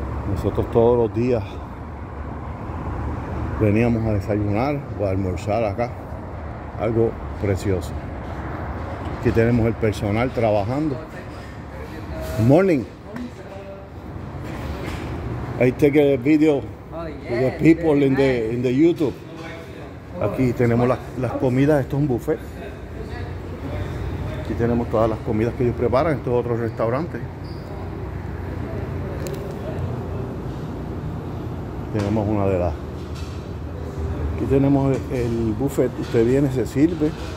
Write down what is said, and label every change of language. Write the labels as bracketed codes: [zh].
[es] Nosotros todos los días veníamos a desayunar o a almorzar acá. Algo precioso. Aquí tenemos el personal trabajando. Morning. [en] I take a video with the people in the YouTube. [es] Aquí tenemos las comidas, esto es un buffet. Aquí tenemos todas las comidas que ellos preparan, estos otros restaurantes. Tenemos una de las. Aquí tenemos el buffet, usted viene, se sirve.